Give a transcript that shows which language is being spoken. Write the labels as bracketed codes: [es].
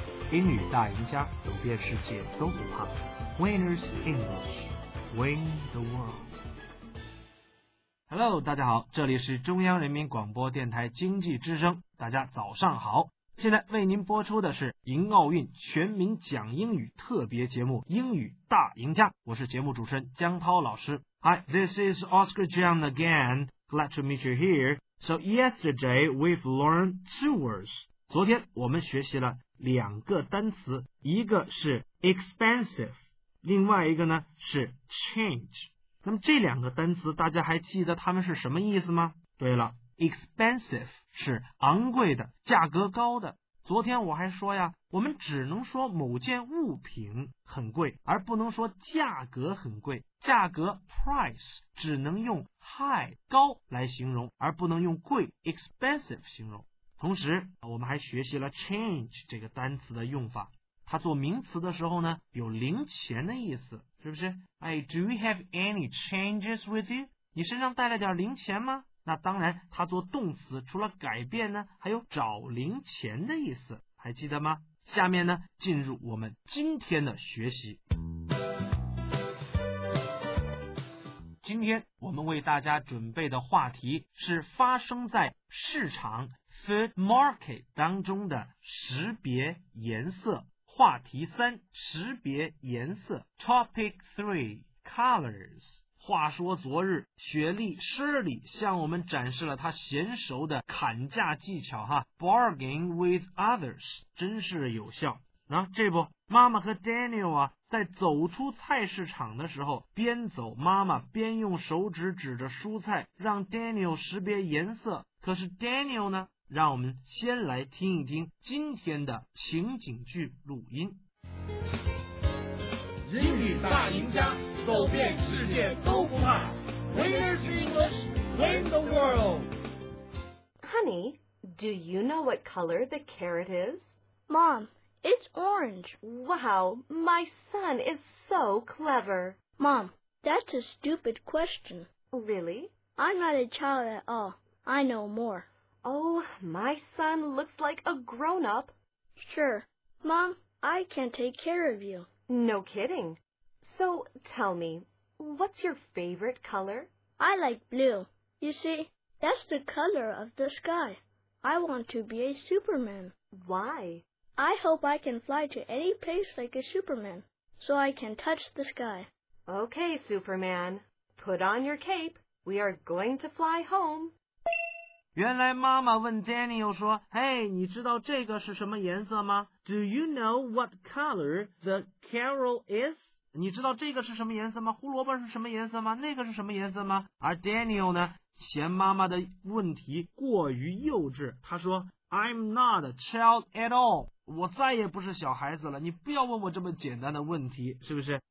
[zh] 英语大赢家，走遍世界都不怕。 [en] Winners English, win the world. [zh] Hello, 大家好，这里是中央人民广播电台经济之声，大家早上好。现在为您播出的是迎奥运全民讲英语特别节目《英语大赢家》，我是节目主持人江涛老师。 [en] Hi, this is Oscar Jiang again. Glad to meet you here. So yesterday we've learned two words. [zh] 昨天我们学习了两个单词，一个是 expensive， 另外一个呢是 change。那么这两个单词大家还记得它们是什么意思吗？对了， expensive 是昂贵的，价格高的。昨天我还说呀，我们只能说某件物品很贵，而不能说价格很贵，价格 price 只能用 high 高来形容，而不能用贵 expensive 形容。同时我们还学习了 change 这个单词的用法，它做名词的时候呢有零钱的意思，是不是？ [en] 哎， do you have any changes with you? [zh] 你身上带了点零钱吗？那当然它做动词，除了改变呢还有找零钱的意思，还记得吗？下面呢进入我们今天的学习。今天我们为大家准备的话题是发生在市场Food market 当中的识别颜色。话题三，识别颜色。 [en] Topic three, colors. [zh] 话说昨日，雪莉施里向我们展示了她娴熟的砍价技巧哈 ， [en] bargain with others， [zh] 真是有效。啊，这不，妈妈和 Daniel 啊，在走出菜市场的时候，边走妈妈边用手指指着蔬菜，让 Daniel 识别颜色。可是 Daniel 呢？让我们先来听一听今天的情景剧录音。英语大赢家，走遍世界都不怕。 [en] Winners English, win the world. Honey, do you know what color the carrot is? Mom, it's orange. Wow, my son is so clever. Mom, that's a stupid question. Really? I'm not a child at all. I know more. Oh, my son looks like a grown-up. Sure. Mom, I can't take care of you. No kidding. So, tell me, what's your favorite color? I like blue. You see, that's the color of the sky. I want to be a Superman. Why? I hope I can fly to any place like a Superman, so I can touch the sky. Okay, Superman. Put on your cape. We are going to fly home. [zh] 原来妈妈问 Daniel 说，哎，你知道这个是什么颜色吗？ [en] Do you know what color the carrot is? [zh] 你知道这个是什么颜色吗？胡萝卜是什么颜色吗？那个是什么颜色吗？而 Daniel 呢，嫌妈妈的问题过于幼稚，他说 [en] I'm not a child at all， [zh] 我再也不是小孩子了，你不要问我这么简单的问题，是不是？